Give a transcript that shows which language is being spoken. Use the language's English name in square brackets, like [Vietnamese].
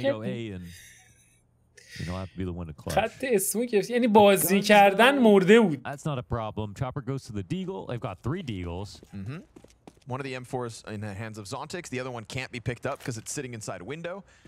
[Persian] کردیم [English] You don't have to be the one to clutch. [Persian] خط اسمو گرفتی یعنی بازی کردن مرده بود. [English] That's not a problem. Chopper goes to the deagle. They've got three deagles. One of the M4s in the hands of Zontix. The other one can't be picked up because it's sitting inside a window.